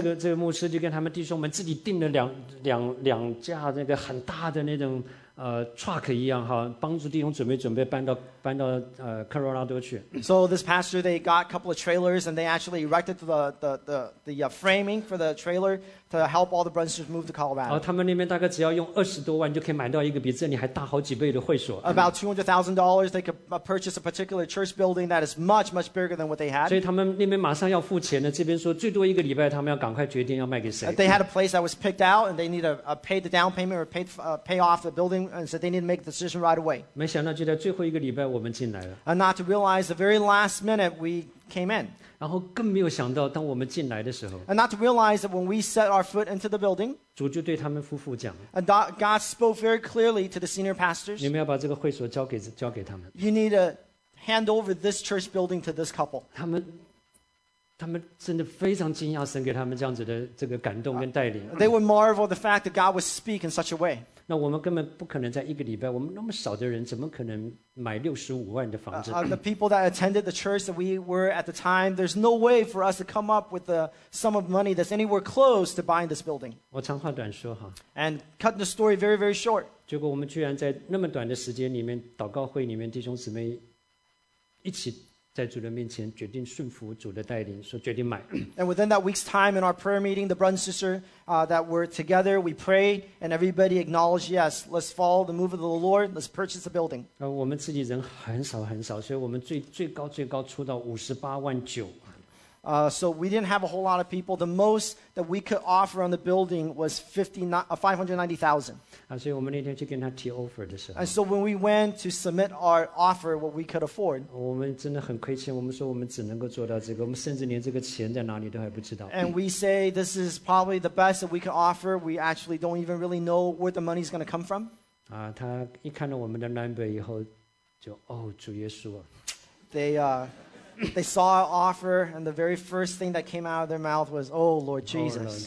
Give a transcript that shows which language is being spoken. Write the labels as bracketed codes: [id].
[zh] 所以这个牧师就跟他们弟兄们自己订了两架那个很大的那种 truck 一样哈，帮助弟兄姊妹准备搬到科罗拉多去。 [en] So this pastor, they got a couple of trailers and they actually erected the framing for the trailer to help all the brothers move to Colorado. [zh] 他们那边大概只要用20多万就可以买到一个比这里还大好几倍的会所。 [en] About $200,000, they could purchase a particular church building that is much, much bigger than what they had. [zh] 所以他们那边马上要付钱的，这边说最多一个礼拜，他们要赶快决定要卖给谁。 [en] They had a place that was picked out and they need to pay the down payment or pay off the building and so they need to make the decision right away. [zh] 没想到就在最后一个礼拜我们进来了。 [en] And not to realize the very last minute we came in. [zh] 然后更没有想到当我们进来的时候 [en] and not to realize that when we set our foot into the building [zh] 主就对他们夫妇讲 [en] and God spoke very clearly to the senior pastors [zh] 你们要把这个会所交给他们 [en] you need to hand over this church building to this couple [zh] 他们真的非常惊讶神给他们这样子的这个感动跟带领 [en] they would marvel the fact that God would speak in such a way [zh] 那我们根本不可能在一个礼拜我们那么少的人怎么可能买65万的房子 [en] the people that attended the church that we were at the time there's no way for us to come up with the sum of money that's anywhere close to buying this building [zh] 我长话短说哈 [en] and cut the story very very short [zh] 结果我们居然在那么短的时间里面祷告会里面弟兄姊妹一起在主的面前决定顺服主的带领说决定买 [en] and within that week's time in our prayer meeting the brothers and sisters that were together we prayed and everybody acknowledged yes let's follow the move of the Lord let's purchase the building [zh] 我们自己人很少很少所以我们最高出到589,000 [en] so we didn't have a whole lot of people the most that we could offer on the building was 590,000 [zh] 所以我们那天去跟他提 offer 的时候 [en] And so when we went to submit our offer what we could afford [zh] 我们真的很亏欠我们说我们只能够做到这个我们甚至连这个钱在哪里都还不知道 [en] And we say this is probably the best that we could offer we actually don't even really know where the money is going to come from [zh] 他一看到我们的 number 以后就哦主耶稣 [en] They saw our offer and the very first thing that came out of their mouth was oh Lord Jesus